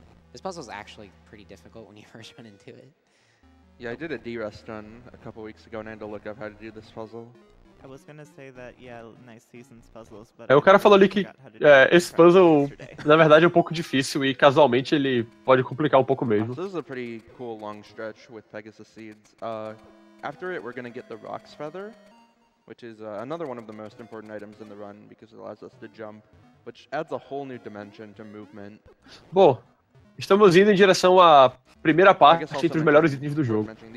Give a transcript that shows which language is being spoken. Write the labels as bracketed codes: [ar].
[en] This puzzle is actually pretty difficult when you first run into it. Yeah, I did a D-Rest run a couple weeks ago and I had to look up how to do this puzzle. I was gonna say that, yeah, nice seasons puzzles, but... [pt] O cara falou ali que esse puzzle, na verdade, é um pouco difícil e casualmente ele pode complicar um pouco mesmo. [en] This is a pretty cool long stretch with Pegasus Seeds. After it, we're gonna get the Rock's Feather, which is another one of the most important items in the run because it allows us to jump, which adds a whole new dimension to movement. [pt] Bom, estamos indo em direção à primeira parte entre os melhores itens do jogo.